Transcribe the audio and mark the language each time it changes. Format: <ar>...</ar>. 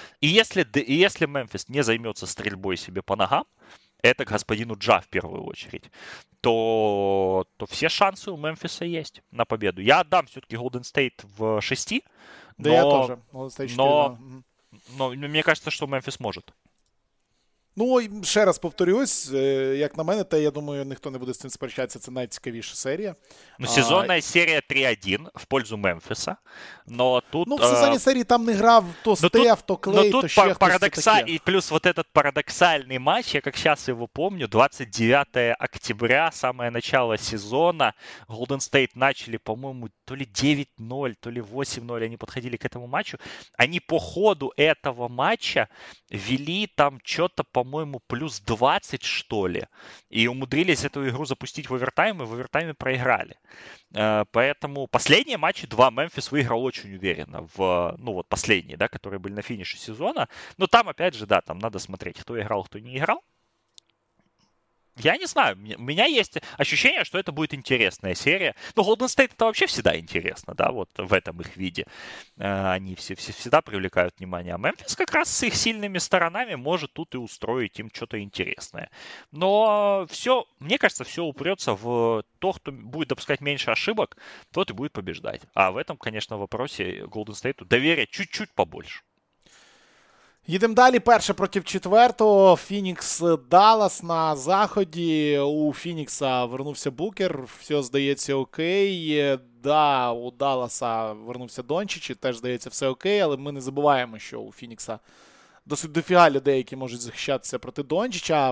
<ru>И если Мемфис не займется стрельбой себе по ногам, это к господину Джа в первую очередь, то все шансы у Мемфиса есть на победу. Я отдам все-таки Golden State в 6. Да, но я тоже. Golden State 4, но мне кажется, что Мемфис может.</ru> <uk>Ну, ще раз повторюсь, як на мене, та я думаю, ніхто не буде з цим сперечатися, це найцікавіша серія. Ну, сезонна серія 3-1</uk> <ru>в пользу</ru> <uk>Мемфіса, но тут... Ну, в сезонній серії там не грав то Стеф, то Клей, то ще хтось таке.</uk> <ru>І плюс вот этот парадоксальний матч,</ru> <uk>я як зараз його помню,</uk> <ru>29 октября, саме начало сезона, Golden State начали, по-моєму, то ли 9-0, то ли 8-0, они подходили к этому матчу. Они по ходу этого матча вели там что-то, по-моему, плюс 20, что ли. И умудрились эту игру запустить в овертайм, и в овертайме проиграли. Поэтому последние матчи 2 Мемфис выиграл очень уверенно. Последние, да, которые были на финише сезона. Но там, опять же, да, там надо смотреть, кто играл, кто не играл. Я не знаю, у меня есть ощущение, что это будет интересная серия. Ну, Golden State это вообще всегда интересно, да, вот в этом их виде. Они все всегда привлекают внимание. А Мемфис как раз с их сильными сторонами может тут и устроить им что-то интересное. Но все, мне кажется, все упрется в то, кто будет допускать меньше ошибок, тот и будет побеждать. А в этом, конечно, вопросе Golden State доверия чуть-чуть побольше.</ru> <uk>Їдемо далі. Перше против четвертого. Фінікс Даллас на заході. У Фінікса вернувся Букер. Все здається окей. Да, у Далласа вернувся Дончич. Теж здається все окей. Але ми не забуваємо, що у Фінікса досить дофіга людей, які можуть захищатися проти Дончича.</uk>